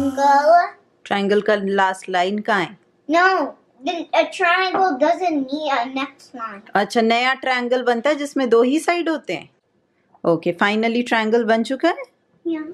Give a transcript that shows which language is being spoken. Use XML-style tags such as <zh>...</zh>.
<hi>Triangle का last line कहाँ है?</hi> <en>No, a triangle doesn't need a next line.</en> <hi>अच्छा, नया ट्रायंगल बनता है जिसमें दो ही साइड होते हैं। ओके, फाइनली ट्रायंगल बन चुका है।</hi>